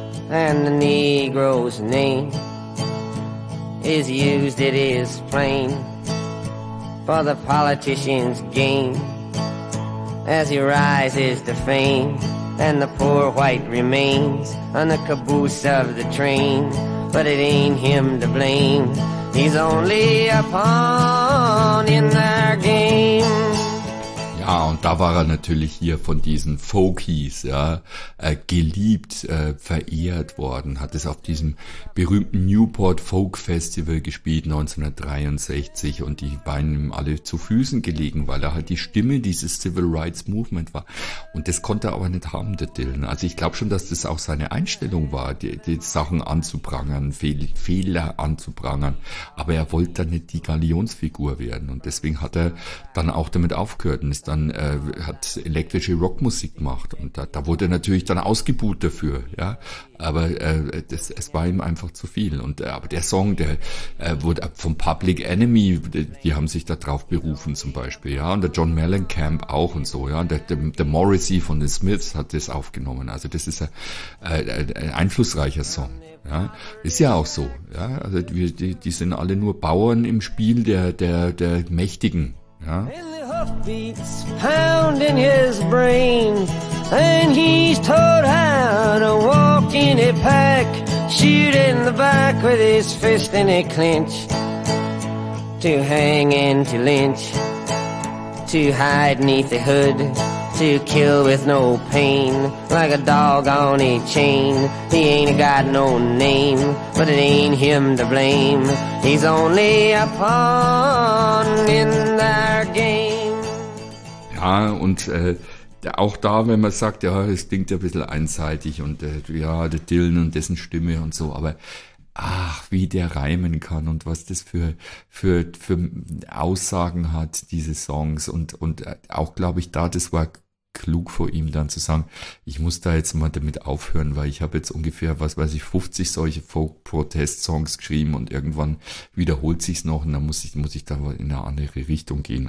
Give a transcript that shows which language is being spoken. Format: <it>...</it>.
<en>And the Negro's name is used, it is plain, for the politician's gain as he rises to fame. And the poor white remains on the caboose of the train, but it ain't him to blame. He's only a pawn in their game.</en> <de>Ja, und da war er natürlich hier von diesen Folkies, ja, geliebt, verehrt worden, hat es auf diesem berühmten Newport Folk Festival gespielt 1963, und die waren ihm alle zu Füßen gelegen, weil er halt die Stimme dieses Civil Rights Movement war. Und das konnte er aber nicht haben, der Dylan. Also ich glaube schon, dass das auch seine Einstellung war, die Sachen anzuprangern, Fehler anzuprangern, aber er wollte dann nicht die Galionsfigur werden, und deswegen hat er dann auch damit aufgehört. Und dann hat elektrische Rockmusik gemacht, und da wurde er natürlich dann ausgebuht dafür, ja, aber es war ihm einfach zu viel, und aber der Song, der wurde vom Public Enemy, die haben sich da drauf berufen zum Beispiel, ja, und der John Mellencamp auch und so, ja, und der Morrissey von den Smiths hat das aufgenommen, also das ist ein einflussreicher Song, ja, ist ja auch so, ja, also die sind alle nur Bauern im Spiel der Mächtigen, ja.</de> <en>Beats pounding his brain, and he's taught how to walk in a pack, shoot in the back with his fist in a clinch, to hang and to lynch, to hide neath the hood, to kill with no pain, like a dog on a chain. He ain't got no name, but it ain't him to blame. He's only a pawn in their game.</en> <de>Ja, und auch da, wenn man sagt, ja, es klingt ja ein bisschen einseitig, und ja, der Dylan und dessen Stimme und so, aber Ach, wie der reimen kann und was das für Aussagen hat, diese Songs. Und auch, glaube ich, da, das war klug vor ihm dann zu sagen, ich muss da jetzt mal damit aufhören, weil ich habe jetzt ungefähr, was weiß ich, 50 solche Folk-Protest-Songs geschrieben und irgendwann wiederholt sich's noch und dann muss ich da in eine andere Richtung gehen.</de>